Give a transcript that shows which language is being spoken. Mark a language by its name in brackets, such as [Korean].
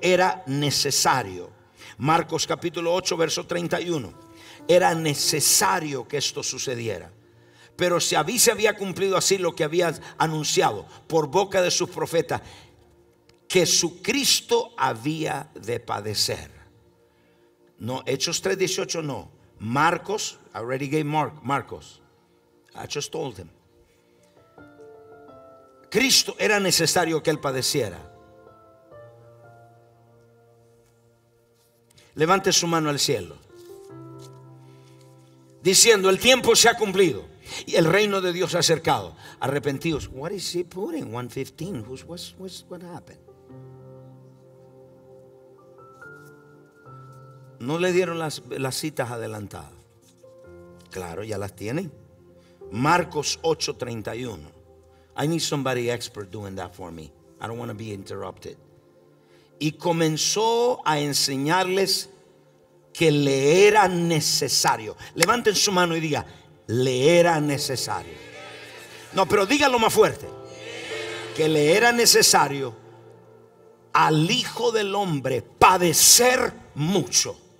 [Spanish] Era necesario. Marcos capítulo 8, verso 31. Era necesario que esto sucediera. Pero se había cumplido así lo que había anunciado por boca de sus profetas, que su Cristo había de padecer. No, Hechos 3:18 no. [English] Marcos, I already gave Mark, Marcos. I just told him. [Spanish] Cristo, era necesario que él padeciera. Levante su mano al cielo, diciendo: el tiempo se ha cumplido y el reino de Dios se ha acercado. [English] Arrepentidos. What is he putting? 1:15. What happened? [Spanish] No le dieron las citas adelantadas. Claro, ya las tienen. Marcos 8:31. [English] I need somebody expert doing that for me. I don't want to be interrupted. [Spanish] Y comenzó a enseñarles que le era necesario. Levanten su mano y diga: le era necesario. No, pero dígalo más fuerte. Que le era necesario al Hijo del Hombre padecer mucho.